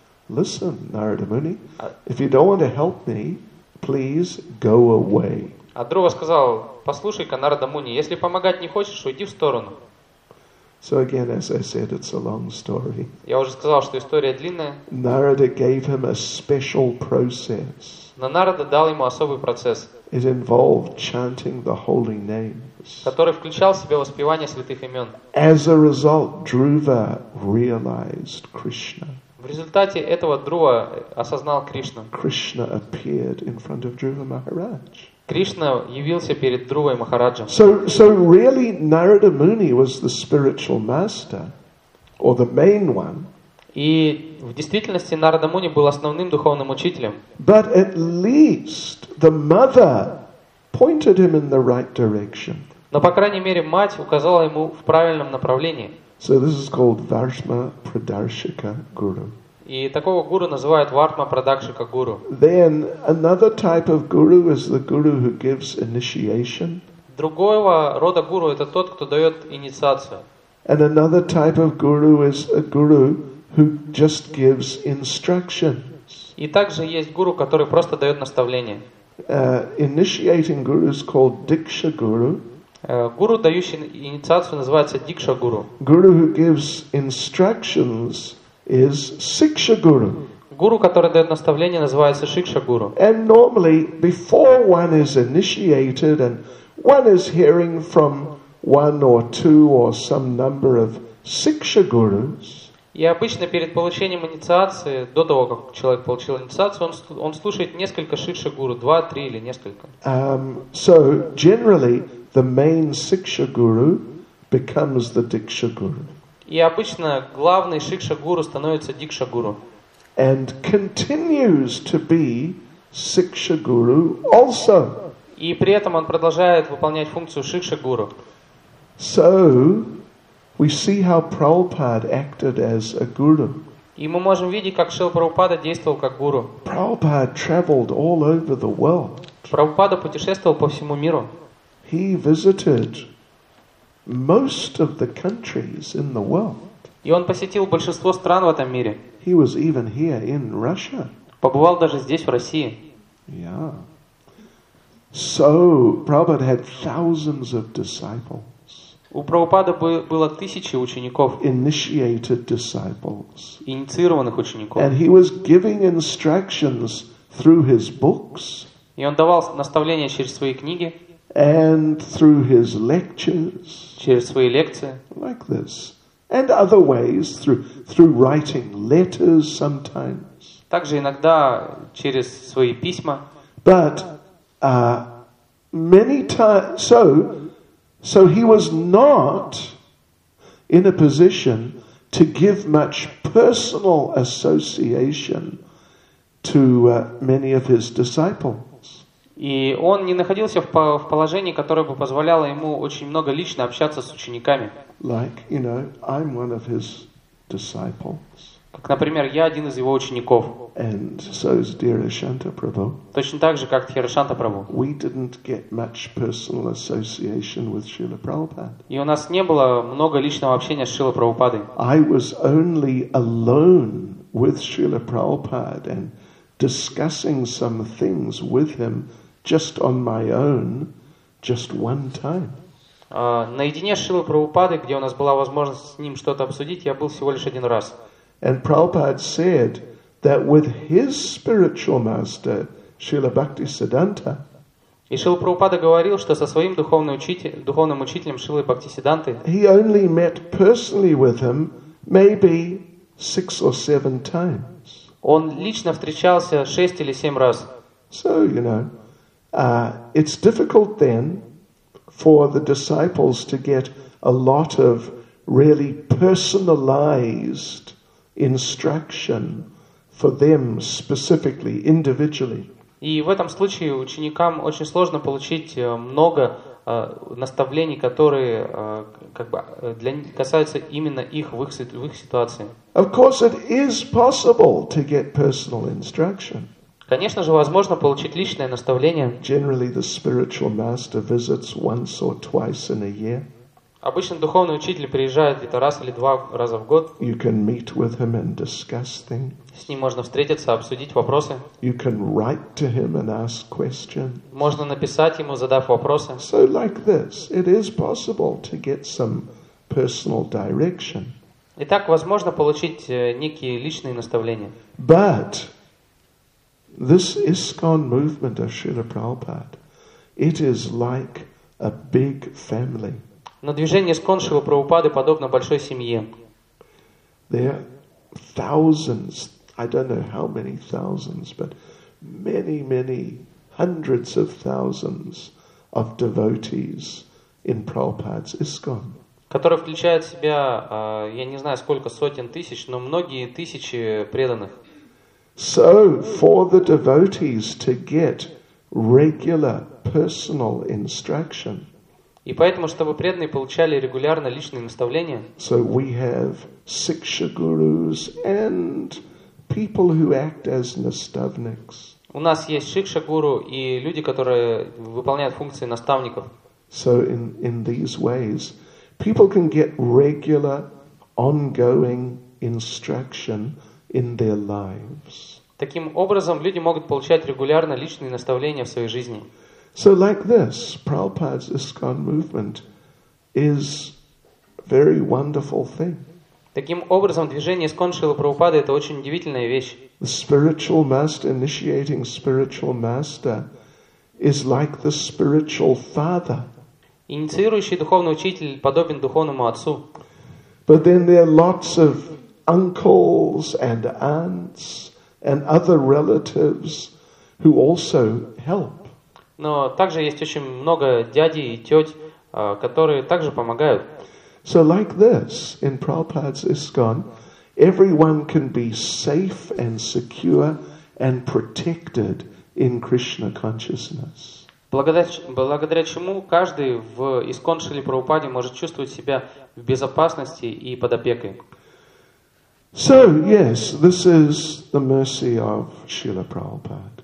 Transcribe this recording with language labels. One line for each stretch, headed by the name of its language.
English: Listen, Narada Muni, if you don't want to help me, please go away."
Russian: А Дрова сказал, послушай-ка, Нарада Муни, если помогать не хочешь, уйди в сторону.
English: So again, as I said, it's a long story.
Russian: Я уже сказал, что история длинная.
English: Narada gave him a special process.
Russian: Но Нарада дал ему особый процесс.
English: It involved chanting the holy names.
Russian: Который включал в себя воспевание святых имен.
English: As a result, Dhruva realized Krishna.
Russian: В результате этого Друва осознал Кришну.
English: Krishna appeared in front of Dhruva Maharaj.
Russian: Кришна явился перед Друвой Махараджем.
English: So really Narada Muni was the spiritual master, or the main one.
Russian: И в действительности Нарада Муни был основным духовным учителем.
English: But at least the mother pointed him in the right direction.
Russian: Но по крайней мере мать указала ему в правильном направлении.
English: So this is called Varshma Pradarshika Guru.
Russian: И такого гуру называют Вартма Прадакшика Гуру.
English: Then another type of guru is the guru who gives initiation.
Russian: Другого рода гуру это тот, кто дает инициацию.
English: And another type of guru is a guru who just gives instructions.
Russian: И также есть гуру, который просто дает наставления.
English: Initiating guru is called Diksha Guru.
Russian: Гуру, дающий инициацию, называется Дикша Гуру.
English: Guru who gives instructions is Siksha Guru.
Russian: Гуру, который дает наставления, называется Шикша Гуру.
English: And normally, before one is initiated and one is hearing from one or two or some number of Siksha Gurus.
Russian: И обычно перед получением инициации, до того, как человек получил инициацию, он слушает несколько Шикша Гуру, два, три или несколько.
English: So, generally, the main Siksha Guru becomes the Diksha Guru.
Russian: И обычно главный Шикша Гуру становится Дикша Гуру.
English: And continues to be Siksha Guru also.
Russian: И при этом он продолжает выполнять функцию Шикша Гуру.
English: So, we see how Prabhupada acted as a guru.
Russian: И мы можем видеть, как Шрила Прабхупада действовал как гуру.
English: Prabhupada traveled all over the world.
Russian: Прабхупада путешествовал по всему миру.
English: He visited most of the countries in the world.
Russian: И он посетил большинство стран в этом мире.
English: He was even here in Russia.
Russian: Побывал даже здесь, в России.
English: Yeah. So, Prabhupada had thousands of disciples.
Russian: У Прабхупады было тысячи учеников,
English: initiated disciples.
Russian: Инициированных учеников.
English: And he was giving instructions through his books.
Russian: И он давал наставления через свои книги.
English: And through his lectures.
Russian: Через свои лекции.
English: Like this. And other ways, through writing letters sometimes.
Russian: Также иногда через свои письма.
English: But many times... So he was not in a position to give much personal association to many of his disciples.
Russian: И он не находился в положении, которое бы позволяло ему очень много лично общаться с учениками.
English: Like, you know, I'm one of his disciples.
Russian: Как, например, я один из его учеников.
English: And so is dear Ashanta Prabhu.
Russian: Точно так же, как Ашанта Прабху.
English: We didn't get much personal association with Srila Prabhupada.
Russian: И у нас не было много личного общения с Шрила Прабхупадой.
English: I was only alone with Srila Prabhupada and discussing some things with him just on my own, just one time.
Russian: Наедине с Шрилой Прабхупадой, где у нас была возможность с ним что-то обсудить, я был всего лишь один раз.
English: And Prabhupada said that with his spiritual master, Srila Bhaktisiddhanta,
Russian: и Шрила Прабхупада говорил, что со своим духовным учителем Шрилой Бхактисиддханты,
English: he only met personally with him maybe 6 or 7 times.
Russian: Он лично встречался 6 или 7 раз.
English: So, you know, it's difficult then for the disciples to get a lot of really personalized instruction for them specifically, individually.
Russian: И в этом случае ученикам очень сложно получить много наставлений, которые как бы для них касаются именно их в их ситуации.
English: Of course, it is possible to get personal instruction.
Russian: Конечно же, возможно получить личное наставление.
English: Generally, the spiritual master visits once or twice in a year.
Russian: Обычно духовный учитель приезжает где-то раз или два раза в год.
English: You can meet with him and discuss things.
Russian: С ним можно встретиться, обсудить вопросы.
English: You can write to him and ask questions.
Russian: Можно написать ему, задав вопросы.
English: So like this, it is possible to get some personal direction.
Russian: Итак, возможно получить некие личные наставления.
English: But this ISKCON movement of Srila Prabhupada, it is like a big family.
Russian: Но движение ISKCON Шрилы Прабхупады подобно большой семье.
English: There are thousands, I don't know how many thousands, but many, many hundreds of thousands of devotees in Prabhupada's ISKCON.
Russian: Который включает в себя, я не знаю, сколько сотен тысяч, но многие тысячи преданных.
English: So, for the devotees to get regular personal instruction,
Russian: и поэтому, чтобы преданные получали регулярно личные наставления,
English: so we have Siksha Gurus and people who act as nastavniks.
Russian: У нас есть шикша гуру и люди, которые выполняют функции наставников.
English: So in these ways, people can get regular, ongoing instruction in their lives.
Russian: Таким образом, люди могут получать регулярно личные наставления в своей жизни.
English: So like this, Prabhupada's ISKCON movement is a very wonderful thing.
Russian: Таким образом, движение ИСККОН Шрилы Прабхупады — это очень удивительная вещь.
English: The spiritual master, initiating spiritual master, is like the spiritual father.
Russian: Инициирующий духовный учитель подобен духовному отцу.
English: But then there are lots of uncles and aunts and other relatives who also help.
Russian: Но также есть очень много дядей и теть, которые также помогают.
English: So like this, in Prabhupada's ISKCON, everyone can be safe and secure and protected in Krishna consciousness.
Russian: Благодаря чему каждый в ИСККОН Шрилы Прабхупаде может чувствовать себя в безопасности и под опекой.
English: So, yes, this is the mercy of Srila Prabhupada.